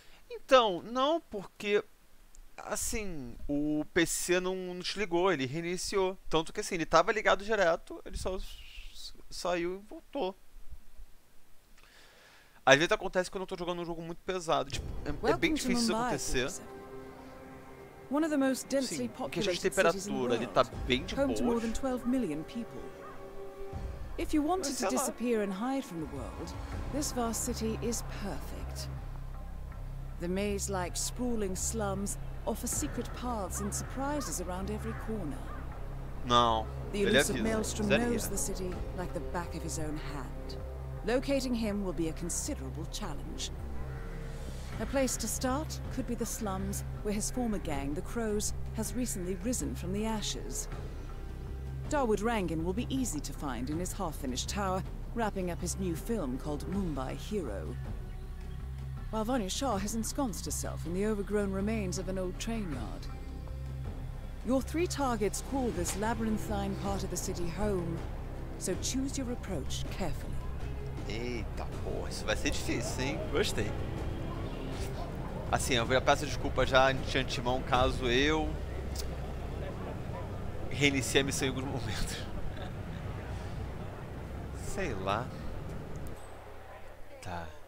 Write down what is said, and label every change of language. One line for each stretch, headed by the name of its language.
Portuguese: Então, não, porque assim, o PC não te ligou, ele reiniciou. Tanto que assim, ele tava ligado direto, ele só saiu e voltou. Às vezes acontece quando eu tô jogando um jogo muito pesado, tipo, é bem difícil isso acontecer.
English: One of the most densely populated cities in the world, home to more than 12 million people. If you wanted to disappear and hide from the world, this vast city is perfect. The maze-like sprawling slums offer secret paths and surprises around every corner. No, the elusive Maelstrom knows the city like the back of his own hand. Locating him will be a considerable challenge. A place to start could be the slums where his former gang, the Crows, has recently risen from the ashes. Darwood Rangan will be easy to find in his half-finished tower, wrapping up his new film called Mumbai Hero. While Vanya Shaw has ensconced herself in the overgrown remains of an old train yard. Your three targets call this labyrinthine part of the city home, so choose your approach carefully.
Portuguese: Eita, porra, isso vai ser difícil, hein? Gostei. Assim, eu já peço desculpa já de antemão caso eu reinicie a missão em algum momento. Sei lá. Tá.